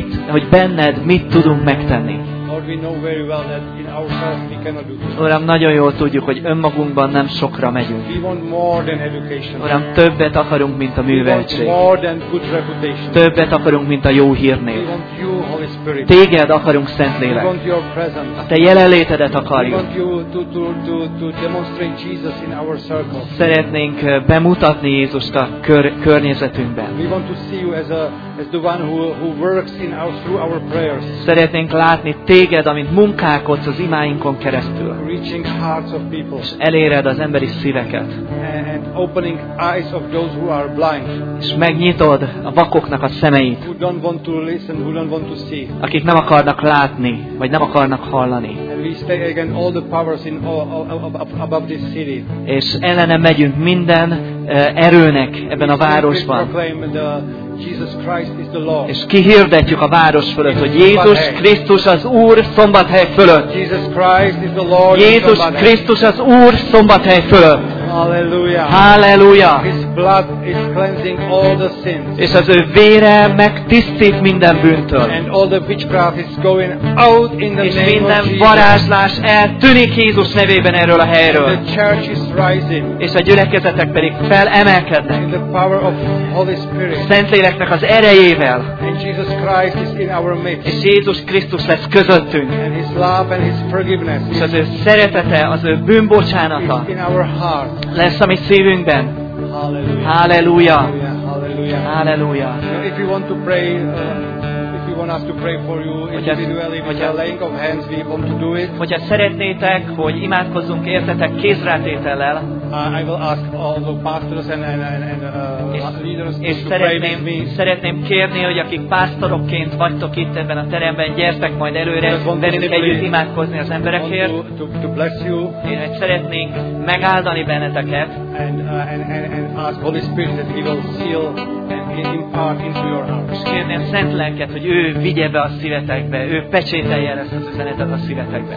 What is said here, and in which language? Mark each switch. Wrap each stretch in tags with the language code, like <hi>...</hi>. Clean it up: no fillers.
<hu>Hogy benned mit tudunk megtenni.</hu> <en>Lord, we know very well that in ourselves we cannot do this.</en> <hu>Uram, nagyon jól tudjuk, hogy önmagunkban nem sokra megyünk.</hu> <en>We want more than education.</en> <hu>Uram, többet akarunk, mint a műveltség.</hu> <en>We want more than good reputation.</en> <hu>Többet akarunk, mint a jó hírnév.</hu> <en>We want you, Holy Spirit.</en> <hu>Téged akarunk, Szentlélek.</hu> <en>We want your presence.</en> <hu>A te jelenlétedet akarjuk.</hu> <en>We want you to demonstrate Jesus in our circles.</en> <hu>Szeretnénk bemutatni Jézust a környezetünkben.</hu> <en>We want to see you as the one who works in our through our prayers.</en> <hu>Szeretnénk látni téged, amint munkálkodsz az imáinkon keresztül.</hu> <en>Reaching hearts of people.</en> <hu>És eléred az emberi szíveket.</hu> <en>And opening eyes of those who are blind.</en> <hu>És megnyitod a vakoknak a szemeit.</hu> <en>Who don't want to listen, who don't want to see.</en> <hu>Akik nem akarnak látni, vagy nem akarnak hallani.</hu> <en>And we stay against all the powers in above this city.</en> <hu>És ellene megyünk minden erőnek ebben</hu> <en>we</en> <hu>a városban.</hu> <en>Jesus Christ is the Lord.</en> <hu>És kihirdetjük a város fölött, hogy Jézus Krisztus az Úr Szombathely fölött.</hu> <en>Jesus Christ is the Lord.</en> <hu>Jézus Krisztus az Úr Szombathely fölött. Halleluja. Halleluja.</hu> <en>His blood is cleansing all the sins.</en> <hu>És az ő vére megtisztít minden bűntől.</hu> <en>And all the witchcraft is going out in the name of Jesus.</en> <hu>És minden varázslás eltűnik Jézus nevében erről a helyről.</hu> <en>The church is rising.</en> <hu>És a gyülekezetek pedig felemelkednek.</hu> <en>In the power of Holy Spirit.</en> <hu>Szentléleknek az erejével.</hu> <en>And Jesus Christ is in our midst.</en> <hu>És Jézus Krisztus lesz közöttünk.</hu> <en>And his love and his forgiveness.</en> <hu>És az ő szeretete, az ő bűnbocsánata.</hu> <en>In our heart.</en> <hu>Lesz a mi szívünkben. Halleluja. Halleluja.</hu> <en>If you want to pray, if you want us to pray for you individually, with a laying of hands, we want to do it.</en> <hu>Hogyha szeretnétek, hogy imádkozzunk értetek kézrátétellel.</hu> <en>I will ask all the pastors and leaders to pray with me.</en> <hu>És szeretném kérni, hogy akik pásztorokként vagytok itt ebben a teremben, gyertek majd előre, velünk együtt imádkozni az emberekért.</hu> <en>To bless you.</en> <hu>Én szeretnék megáldani benneteket.</hu> <en>And ask Holy Spirit that He will seal and impart into your hearts.</en> <hu>Kérni a Szent Lelket, hogy ő vigye be a szívetekbe, ő pecsételje ezt az üzenetet a szívetekbe.</hu>